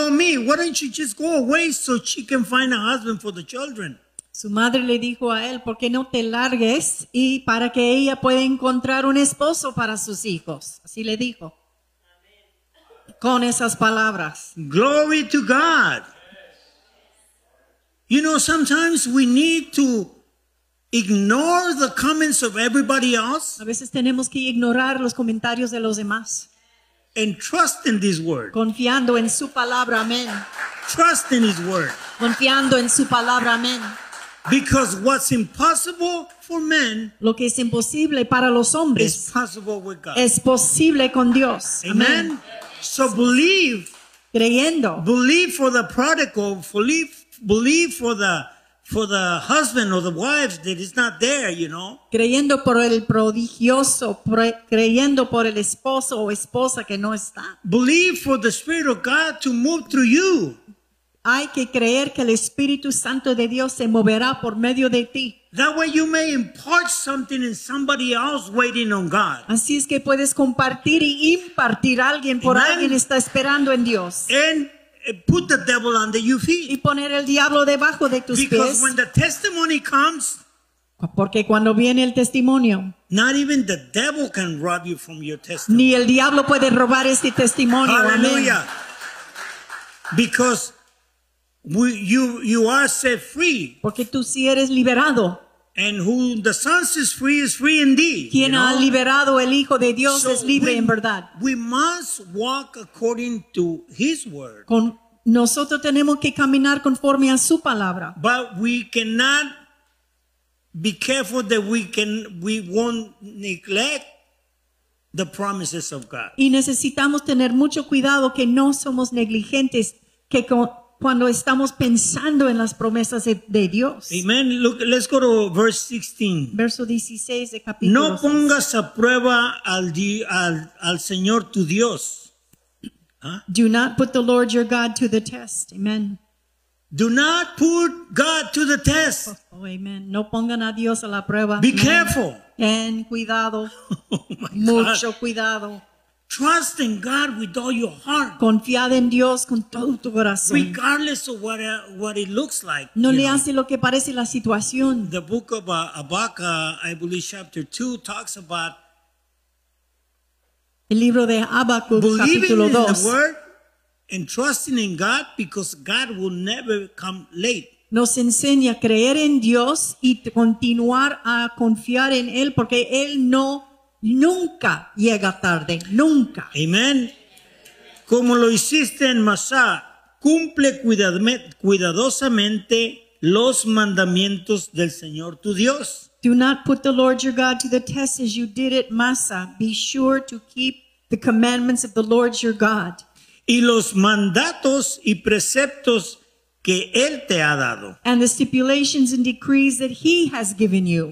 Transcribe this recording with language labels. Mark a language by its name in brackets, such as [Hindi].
[English] told me, why don't you just go away so she can find a husband for the children? [Spanish] Su madre le dijo a él, ¿por qué no te largues y para que ella pueda encontrar un esposo para sus hijos? Así le dijo. Con esas palabras. [English] Glory to God. You know, sometimes we need to ignore the comments of everybody else. [Spanish] A veces tenemos que ignorar los comentarios de los demás. [English] And trust in this word. [Spanish] Confiando en su palabra, amén. [English] Trust in his word. [Spanish] Confiando en su palabra, amén. [English] Because what's impossible for men, [Spanish] lo que es imposible para los hombres, [English] is possible with God. [Spanish] Es posible con Dios. [English] Amen. Amen. So believe. [Spanish] Creyendo. [English] Believe for the prodigal. Believe for the husband or the wife that is not there, you know. [Spanish] Creyendo por el prodigioso. Creyendo por el esposo o esposa que no está. [English] Believe for the Spirit of God to move through you. [Spanish] Hay que creer que el Espíritu Santo de Dios se moverá por medio de ti. [English] That way you may impart something in somebody else waiting on God. [Spanish] Así es que puedes compartir y impartir a alguien por Amen. Alguien está esperando en Dios. [English] And put the devil under your feet. [Spanish] Y poner el diablo debajo de tus [English] Because [Spanish] pies. [English] Because when the testimony comes, [Spanish] porque cuando viene el testimonio, [English] not even the devil can rob you from your testimony. [Spanish] Ni el diablo puede robar este testimonio. [English] Hallelujah. Because you are set free. [Spanish] Porque tú sí eres liberado. [English] And who the Son is free indeed. [Spanish] Quien ha liberado el Hijo de Dios es libre en verdad. [English] We must walk according to His word. [Spanish] Nosotros tenemos que caminar conforme a su palabra. [English] But we cannot be careful that we won't neglect the promises of God. [Spanish] Y necesitamos tener mucho cuidado que no somos negligentes que con cuando estamos pensando en las promesas de Dios. [English] Amen. Look, let's go to verse 16. [Spanish] Verso 16 de capítulo No pongas 6. A prueba al Señor tu Dios. Huh? [English] Do not put the Lord your God to the test. Amen. Do not put God to the test. [Spanish] Oh, amen. No pongan a Dios a la prueba. [English] Be amen. Careful. [Spanish] Ten cuidado. [English] Oh, my [Spanish] Mucho [English] God. [Spanish] Cuidado. [English] Trust in God with all your heart. [Spanish] Confiad en Dios con todo tu corazón. [English] Regardless of what it looks like. [Spanish] No le hace lo que parece la situación. [English] The book of Habakkuk, I believe chapter 2, talks about [Spanish] el libro de Habacuc, [English] believing [Spanish] capítulo 2. [English] In the word and trusting in God because God will never come late. [Spanish] Nos enseña a creer en Dios y continuar a confiar en Él porque Él no nunca llega tarde, nunca. Amen. Como lo hiciste en Masá, cumple cuidadosamente los mandamientos del Señor tu Dios. [English] Do not put the Lord your God to the test as you did at Masá. Be sure to keep the commandments of the Lord your God. [Spanish] Y los mandatos y preceptos que Él te ha dado. [English] And the stipulations and decrees that He has given you.